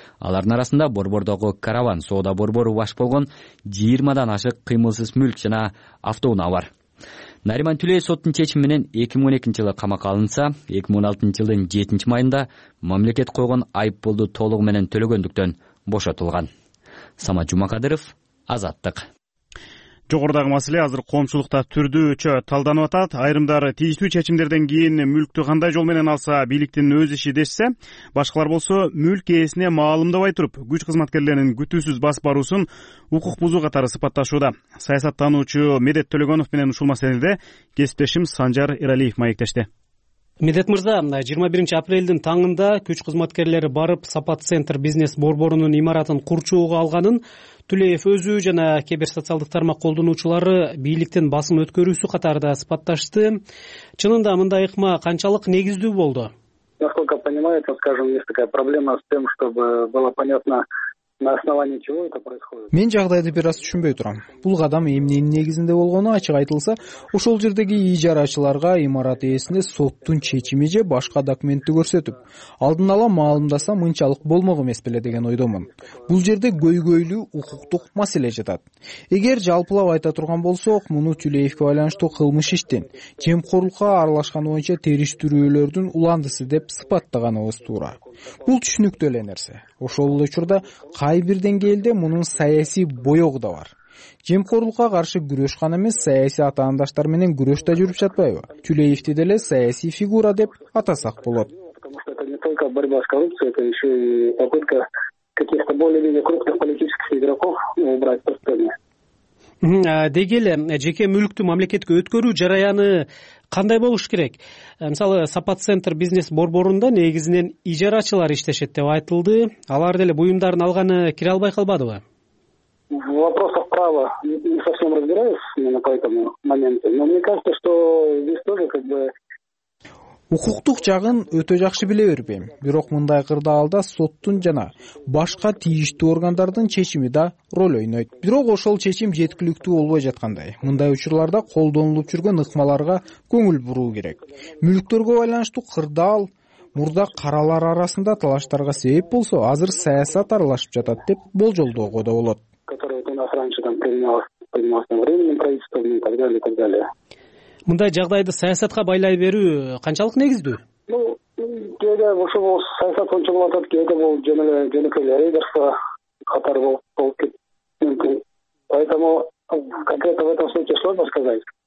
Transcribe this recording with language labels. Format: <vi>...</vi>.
<ky>Алардын арасында борбордогу караван соода борбору баш болгон 20 ашык кыймылсыз мүлк жана автоунаа бар. Нариман Түлеев соттун чечими менен 2012 жылы камакка алынса, 2016 жылдын 7 майында мамлекет койгон айыппулду толугу менен төлөгөндүктөн бошотулган. Самат Жумакадыров, Азаттык. Жогорудагы маселе азыр коомчулукта түрдүүчө талданып атат. Айрымдары тийиштүү чечимдерден кийин мүлктү кандай жол менен алса бийликтин өз иши дешсе, башкалар болсо мүлк ээсине маалымдабай туруп, күч кызматкерлеринин күтүүсүз басып баруусун укук бузуу катары сыпатташууда. Саясат таануучу Медет Төлөгөнов менен ушул маселеде кесиптешим Санжар Иралиев маектешти. Медет мырза, 21 апрелдин таңында күч кызматкерлери барып сапат центр бизнес борборунун имаратын курчоого алганын Түлеев өзү жана кээ бир социалдык тармак колдонуучулары бийликтин басым өткөрүүсү катары да сыпатташты. Чынында мындай ыкма канчалык негиздүү болду?</ky> <ru>Насколько понимаю, это, скажем, есть такая проблема с тем, чтобы было понятно, на основании чего это происходит.</ru> <ky>Мен жагдайды бир аз түшүнбөй турам. Бул кадам эмненин негизинде болгону ачык айтылса, ошол жердеги ижарачыларга имарат ээсине соттун чечими же башка документти көрсөтүп, алдын ала маалымдаса мынчалык болмок эмес беле деген ойдомун. Бул жерде көйгөйлүү укуктук маселе жатат. Эгер жалпылап айта турган болсок, муну Түлеевке байланыштуу кылмыш иштин жемкорлукка аралашкан боюнча териштирүүлөрдүн уландысы деп сыпаттаганыбыз туура. Бул түшүнүктүү эле нерсе. Ошол эле учурда кай бир деңгээлде мунун саясий боёгу да бар. Жемкорлукка каршы күрөш гана эмес, саясий атаандаштар менен күрөш да жүрүп жатпайбы? Түлеевди деле саясий фигура деп атасак болот.</ky> <ru>Потому что это не только борьба с коррупцией, это еще и попытка каких-то более-менее крупных политических игроков убрать со сцены.</ru> <ky>Деги эле жеке мүлктү мамлекетке өткөрүү жараяны кандай болуш керек? Мисалы, сапат центр бизнес борборунда негизинен ижарачылар иштешет деп айтылды. Алар деле буюмдарын алганы кире албай калбадыбы?</ky> <ru>В вопросах права не совсем разбираюсь именно по этому моменту. Но мне кажется, что здесь тоже</ru> <ky>Укуктук жагын өтө жакшы биле бербейм. Бирок мындай кырдаалда соттун жана башка тийиштүү органдардын чечими да роль ойнойт. Бирок ошол чечим жеткиликтүү болбой жаткандай. Мындай учурларда колдонулуп жүргөн ыкмаларга көңүл буруу керек. Мүлктөргө байланыштуу кырдаал мурда каралар арасында талаштарга себеп болсо, азыр саясат аралашып жатат деп болжолдоого да болот.</ky> <ru>Которые нас раньше там принималось временным правительством и так далее, и так далее.</ru> <ky>Мындай жагдайды саясатка байлай берүү канчалык негиздүү? Ну, кээде ошол саясат боюнча болуп атат, кээде бул жөн эле жөнөкөй рейдерство катары болуп кетиши мүмкүн.</ky> <ru>Поэтому конкретно в этом случае сложно сказать.</ru>